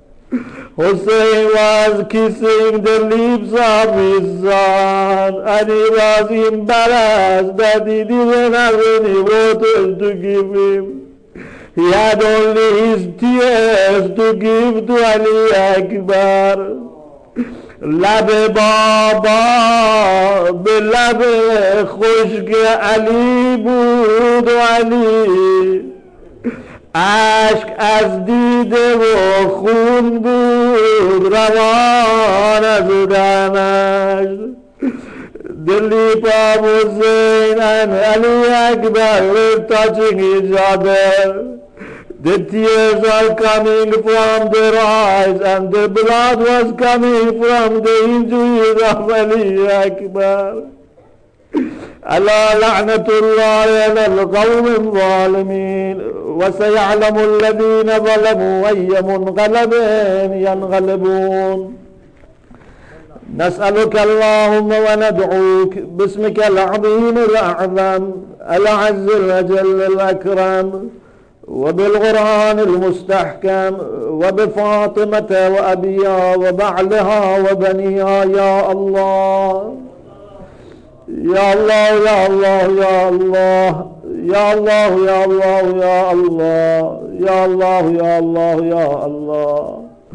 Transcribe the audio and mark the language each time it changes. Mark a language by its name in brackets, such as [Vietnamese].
[English] Hussein was kissing the lips of his son, and he was embarrassed that he didn't have any water to give him. He had only his tears to give to Ali Akbar. [Persian] لب بابا به لب خشک علی بود و علی عشق از دیده و خون بود روان از دمش. [English] The lip of Hussein and Ali Akbar were touching each other. The tears are coming from their eyes and the blood was coming from the injuries of Ali Akbar. [Arabic] الله لعنة الله على القوم الظالمين وسيعلم الذين ظلموا أي منقلب ينقلبون. نسألك اللهم وندعوك باسمك العظيم الأعظم الأعز الأجل الأكرم وبالقرآن المستحكم وبفاطمة وأبيها وبعلها وبنيها يا الله يا الله يا الله يا الله يا الله يا الله يا الله يا الله يا الله.